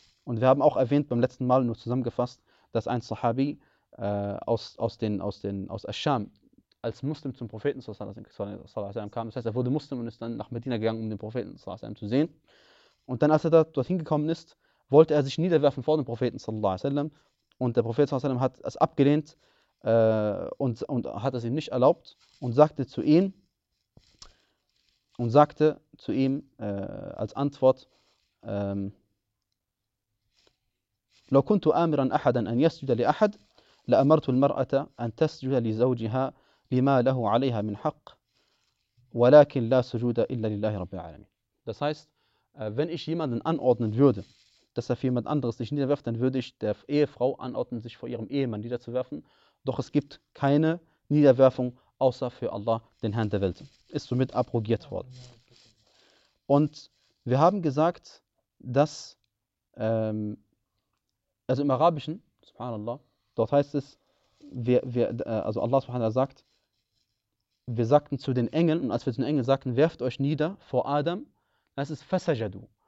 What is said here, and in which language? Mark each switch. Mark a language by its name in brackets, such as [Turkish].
[German] Und wir haben auch erwähnt beim letzten Mal, nur zusammengefasst, dass ein Sahabi aus Asham als Muslim zum Propheten kam. Das heißt, er wurde Muslim und ist dann nach Medina gegangen, um den Propheten zu sehen. Und dann, als er dorthin gekommen ist, wollte er sich niederwerfen vor dem Propheten. Und der Prophet hat es abgelehnt und hat es ihm nicht erlaubt und sagte zu ihm als Antwort, [Arabic] لو كنت آمرا أحدا أن يسجد لأحد لأمرت المرأة أن تسجد لزوجها لما له عليها من حق ولكن لا سجود إلا لله رب العالمين. [German] Das heißt, wenn ich jemanden anordnen würde, dass er für jemand anderes sich niederwirft, dann würde ich der Ehefrau anordnen, sich vor ihrem Ehemann niederzuwerfen. Doch es gibt keine Niederwerfung außer für Allah, den Herrn der Welt. Ist somit abrogiert worden. Und wir haben gesagt, dass also im Arabischen, subhanallah, dort heißt es, also Allah subhanallah sagt, wir sagten zu den Engeln, und als wir zu den Engeln sagten, werft euch nieder vor Adam, das ist fasajadu.